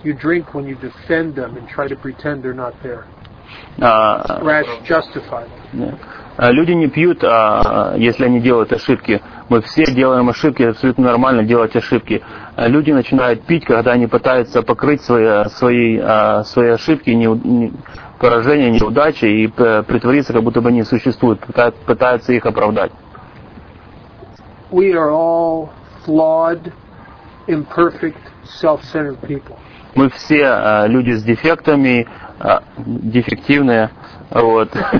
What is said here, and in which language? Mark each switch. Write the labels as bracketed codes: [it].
[en] You drink when you defend them and try to pretend they're not there. Rash justified. [ru] Люди не пьют, если они делают ошибки. Мы все делаем ошибки, абсолютно нормально делать ошибки. Люди начинают пить, когда они пытаются покрыть свои ошибки, поражения, неудачи и притвориться, как будто бы они существуют, пытаются их оправдать. [en] We are all flawed, imperfect, self-centered people. [ru] Мы все люди с дефектами, дефективные. Вот.